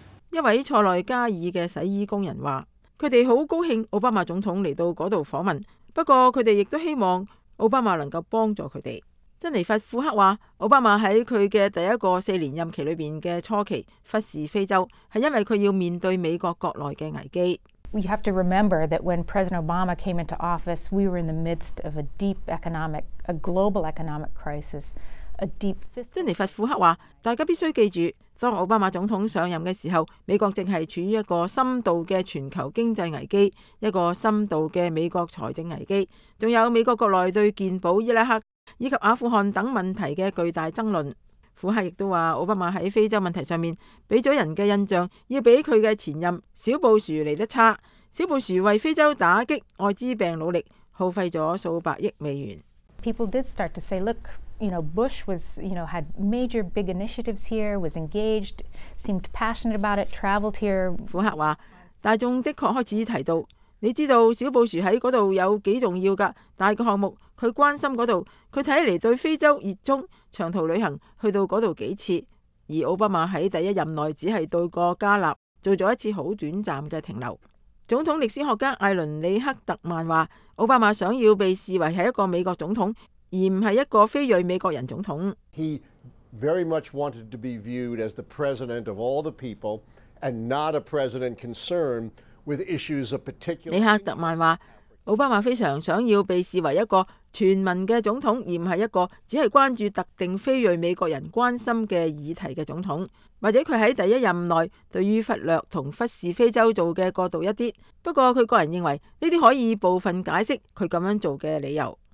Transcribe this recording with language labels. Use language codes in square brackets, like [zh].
[zh] 一位塞内加尔的洗衣工人说，他们很高兴奥巴马总统来到那里访问，不过他们亦都希望奥巴马能够帮助他们。珍妮佛·库克说，奥巴马在他的第一个四年任期里面的初期忽视非洲，是因为他要面对美国国内的危机。 [en] We have to remember that when President Obama came into office, we were in the midst of a deep economic, a global economic crisis, a deep fiscal. [zh] 珍妮佛·库克说，大家必须记住，当奥巴马总统上任的时候，美国正是处于一个深度的全球经济危机，一个深度的美国财政危机，还有美国国内对健保、伊拉克以及阿富汗等问题的巨大争论。库克亦都说，奥巴马在非洲问题上面给了人的印象要比他的前任小布殊来得差。小布殊为非洲打击艾滋病努力，耗费了数百亿美元。 [en] People did start to say, look, you know, Bush was, you know, had major big initiatives here, was engaged, seemed passionate about it, traveled here. [zh] 库克说，大众的确开始提到，你知道小布殊在那里有几重要的大的项目，他关心那里，他看来对非洲热衷，长途旅行去到那里几次。而奥巴马在第一任内只是到过加纳，做了一次很短暂的停留。总统历史学家艾伦·里克特曼说，奥巴马想要被视为是一个美国总统，而不是一个非裔美国人总统。 [en] He very much wanted to be viewed as the president of all the people and not a president concerned with issues of particular. [zh] 里克特曼说，奥巴马非常想要被视为一个全民的总统，而不是一个只是关注特定非裔美国人关心的议题的总统。或者他在第一任内对于忽略和忽视非洲做的过度一点，不过他个人认为这些可以部分解释他这样做的理由。